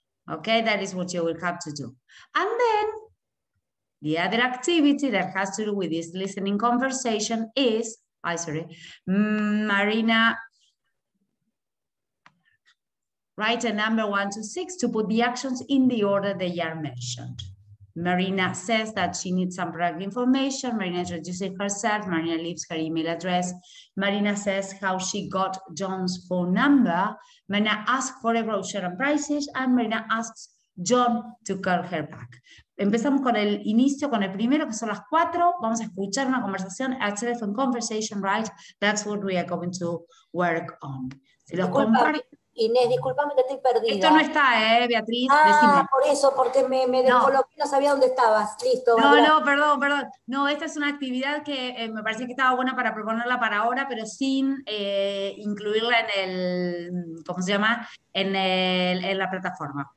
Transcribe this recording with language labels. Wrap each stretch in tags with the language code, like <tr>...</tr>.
<en>Okay, that is what you will have to do. And then the other activity that has to do with this listening conversation is Marina, write a number 1 to 6 to put the actions in the order they are mentioned. Marina says that she needs some product information. Marina introduces herself. Marina leaves her email address. Marina says how she got John's phone number. Marina asks for a brochure and prices, and Marina asks John to call her back.</en> <es>Empezamos con el inicio, con el primero, que son las cuatro. Vamos a escuchar una conversación,</es> <en>a telephone conversation, right? That's what we are going to work on.</en> <es>Si lo comparto. Inés, discúlpame que estoy perdida. Esto no está, Beatriz. Ah, decime. Por eso, porque me descoloqué, no sabía dónde estabas. Listo. No, hola. No, perdón. No, esta es una actividad que me parece que estaba buena para proponerla para ahora, pero sin incluirla en el, ¿cómo se llama? En la plataforma.</es>